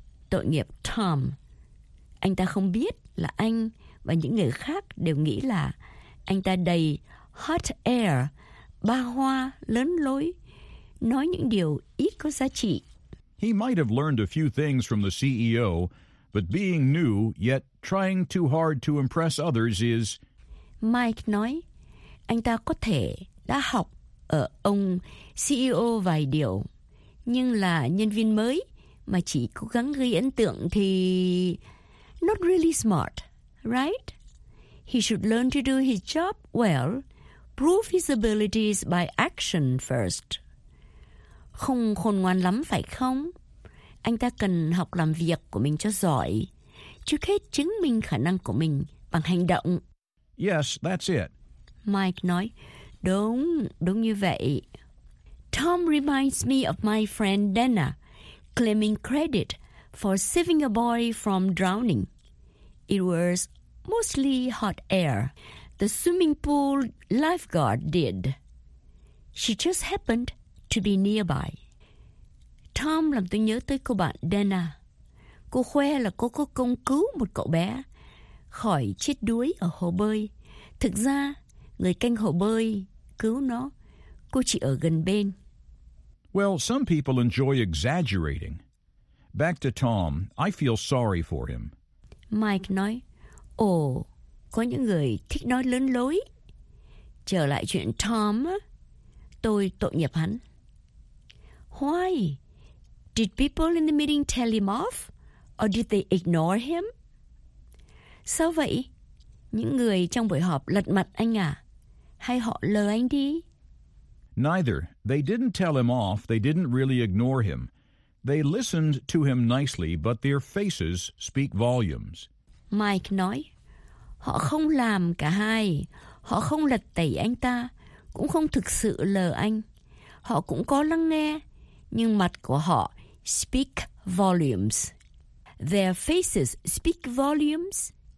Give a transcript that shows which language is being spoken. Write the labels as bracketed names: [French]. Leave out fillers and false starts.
[Vietnamese] Tội nghiệp Tom. Anh ta không biết là anh và những người khác đều nghĩ là anh ta đầy [English] hot air, [Vietnamese] ba hoa, lớn lối, nói những điều ít có giá trị. [English] He might have learned a few things from the CEO, but being new, yet trying too hard to impress others is... [Vietnamese] Mike nói, anh ta có thể đã học ở ông CEO vài điều, nhưng là nhân viên mới mà chỉ cố gắng gây ấn tượng thì [English] not really smart, right? He should learn to do his job well, Prove his abilities by action first. [Vietnamese] Không khôn ngoan lắm phải không? Anh ta cần học làm việc của mình cho giỏi. Trước hết chứng minh khả năng của mình bằng hành động. [English] Yes, that's it. [Vietnamese] Mike nói, đúng, đúng như vậy. [English] Tom reminds me of my friend Dana, claiming credit for saving a boy from drowning. It was mostly hot air. The swimming pool lifeguard did. She just happened to be nearby. [Vietnamese] Tom làm tôi nhớ tới cô bạn Dana. Cô khoe là cô có công cứu một cậu bé khỏi chết đuối ở hồ bơi. Thực ra, người canh hồ bơi cứu nó. Cô chỉ ở gần bên. [English] Well, some people enjoy exaggerating. Back to Tom, I feel sorry for him. [Vietnamese] Mike nói, ồ, có những người thích nói lớn lối. Trở lại chuyện Tom, tôi tội nghiệp hắn. [English] Why? Did people in the meeting tell him off? Or did they ignore him? [Vietnamese] Sao vậy? Những người trong buổi họp lật mặt anh à? Hay họ lờ anh đi? [English] Neither. They didn't tell him off. They didn't really ignore him. They listened to him nicely, but their faces speak volumes. [Vietnamese] Mike nói, họ không làm cả hai. Họ không lật tẩy anh ta, cũng không thực sự lờ anh. Họ cũng có lắng nghe, nhưng mặt của họ [English] speak volumes. Their faces speak volumes.